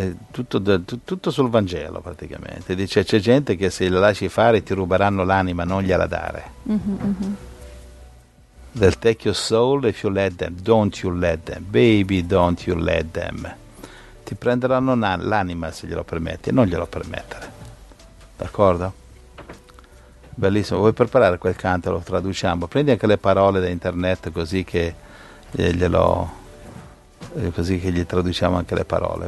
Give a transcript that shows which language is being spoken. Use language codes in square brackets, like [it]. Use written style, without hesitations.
[it] Tutto sul Vangelo praticamente. Dice: c'è gente che se la lasci fare ti ruberanno l'anima, non gliela dare. [en] They'll take your soul if you let them. Don't you let them. Baby, don't you let them. [it] Ti prenderanno l'anima se glielo permetti, non glielo permettere. D'accordo? Bellissimo. Vuoi preparare quel canto? Lo traduciamo. Prendi anche le parole da internet così che glielo. Così che gli traduciamo anche le parole.